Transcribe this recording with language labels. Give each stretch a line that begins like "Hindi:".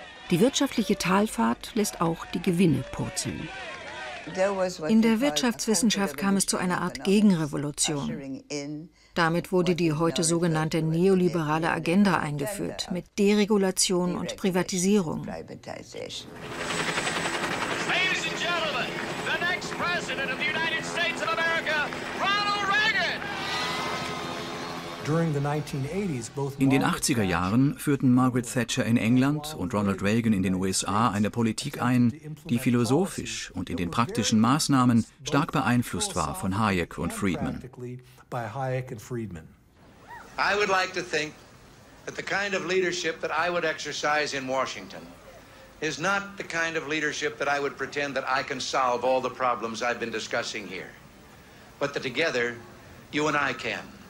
German: Die wirtschaftliche Talfahrt lässt auch die Gewinne purzeln. In der Wirtschaftswissenschaft kam es zu einer Art Gegenrevolution. Damit wurde die heute sogenannte neoliberale Agenda eingeführt, mit Deregulation und Privatisierung.
English: Ladies and gentlemen, the next president of the United States of America, Ronald Reagan!
German: In den 80er Jahren führten Margaret Thatcher in England und Ronald Reagan in den USA eine Politik ein, die philosophisch und in den praktischen Maßnahmen stark beeinflusst war von Hayek und Friedman.
English: I would like to think that the kind of leadership that I would exercise in Washington is not the kind of leadership that I would pretend that I can solve all the problems I've been discussing here, but that together you and I can.